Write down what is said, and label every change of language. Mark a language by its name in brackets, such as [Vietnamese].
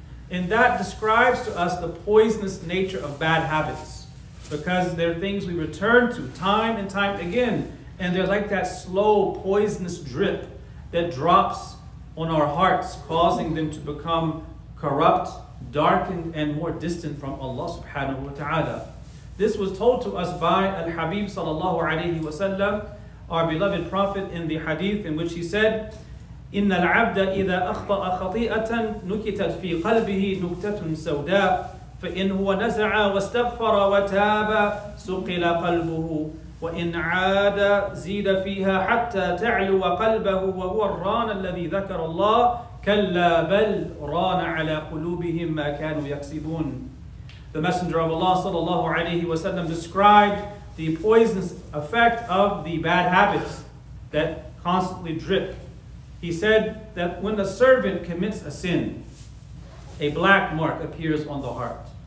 [English] And that describes to us the poisonous nature of bad habits, because they're things we return to time and time again, and they're like that slow, poisonous drip that drops on our hearts, causing them to become corrupt, darkened, and more distant from Allah subhanahu wa ta'ala. This was told to us by Al-Habib sallallahu alayhi wa sallam, our beloved Prophet, in the hadith in which he said, [Arabic] إِنَّ الْعَبْدَ إِذَا أَخْطَأَ خَطِيئَةً نُكِتَتْ فِي قَلْبِهِ نُكْتَةٌ سَوْدَى فَإِنْ هُوَ نَزَعَ وَاسْتَغْفَرَ وَتَابَ سُقِلَ قَلْبُهُ وَإِنْ عَادَ زِيدَ فِيهَا حَتَّى تَعْلُوَ قَلْبَهُ وَهُوَ الرَّانَ الَّذِي ذَكَرَ اللَّهُ كَلَّا بَلْ رَانَ عَلَى قُلُوبِهِمْ مَا كَانُوا يَكْسِبُونَ. [English] The Messenger of Allah sallallahu alayhi wa sallam described the poisonous effect of the bad habits that constantly drip. He said that when a servant commits a sin, a black mark appears on the heart.